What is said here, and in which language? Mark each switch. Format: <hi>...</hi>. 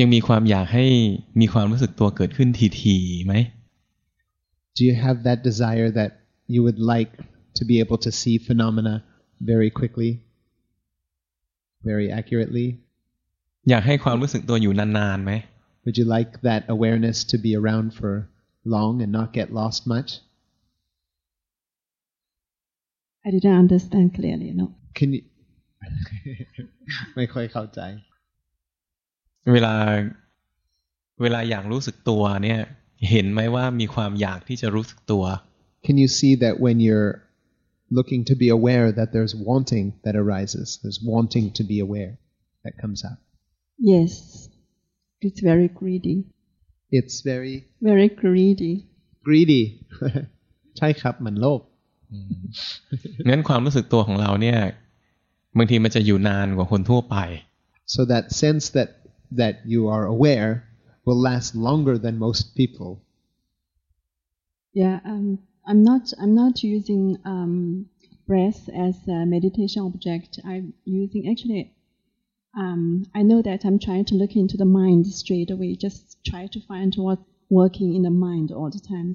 <th>ยังมีความอยากให้มีความรู้สึกตัวเกิดขึ้นทีๆไหม</th> <en>Do you have that desire that you would like to be able to see phenomena very quickly, very accurately?</en> <th>อยากให้ความรู้สึกตัวอยู่นานๆไหม</th> <en>Would you like that awareness to be around for long and not get lost much? I didn't understand clearly. No. Can you?</en> <th>ไม่ค่อยเข้าใจ เวลาอยากรู้สึกตัวเนี่ยเห็นไหมว่ามีความอยากที่จะรู้สึกตัว</th> <en>Can you see that when you're looking to be aware that there's wanting that arises there's wanting to be aware that comes up Yes it's very greedy It's very very greedy Greedy</en> <th>ใช่ครับมันโลภ งั้นความรู้สึกตัวของเราเนี่ยบางทีมันจะอยู่นานกว่าคนทั่วไป</th> <en>So that sense that you are aware will last longer than most people. Yeah, I'm not using breath as a meditation object. I know that I'm trying to look into the mind straight away, just try to find what's working in the mind all the time.</en>